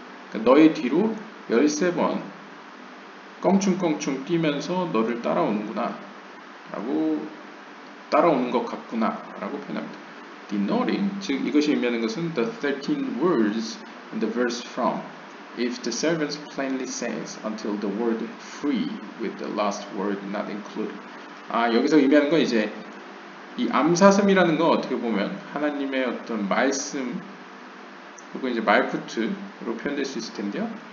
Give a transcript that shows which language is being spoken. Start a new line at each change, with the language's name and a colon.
Korean: 그러니까 너의 뒤로 13번 껑충껑충 뛰면서 너를 따라오는구나 라고 따라오는 것 같구나 라고 표현합니다.
English: Denoting,
Korean: 즉 이것이 의미하는 것은
English: the 13 words and the verse from If the servant plainly says until the word free with the last word not included.
Korean: 아, 여기서 의미하는 건 이제 이 암사슴이라는 건 어떻게 보면 하나님의 어떤 말씀 혹은 이제 말코트로 표현될 수 있을 텐데요.